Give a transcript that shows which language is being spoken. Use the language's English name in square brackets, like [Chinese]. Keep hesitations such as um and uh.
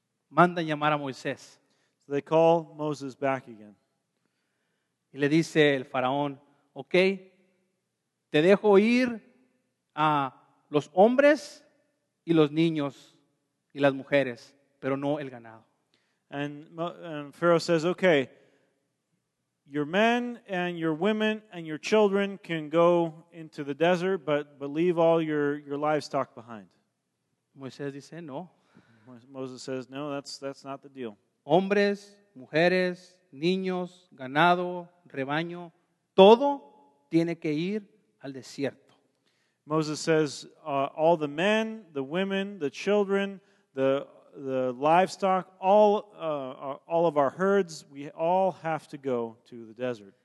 [Spanish] Mandan llamar a Moisés. [English] So they call Moses back again. [Spanish] Y le dice el faraón, ok, te dejo ir a los hombres y los niños y las mujeres, pero no el ganado. [English] And, Mo, and Pharaoh says, Okay, your men and your women and your children can go into the desert, but, but leave all your, your livestock behind. [Spanish] Moisés dice, No. [English] Moses says, No, that's, that's not the deal. [Spanish] Hombres, mujeres, niños, ganado, rebaño, todo tiene que ir al desierto. [English] Moses says, uh, All the men, the women, the children, the, the livestock, all, uh, all of our herds, we all have to go to the desert.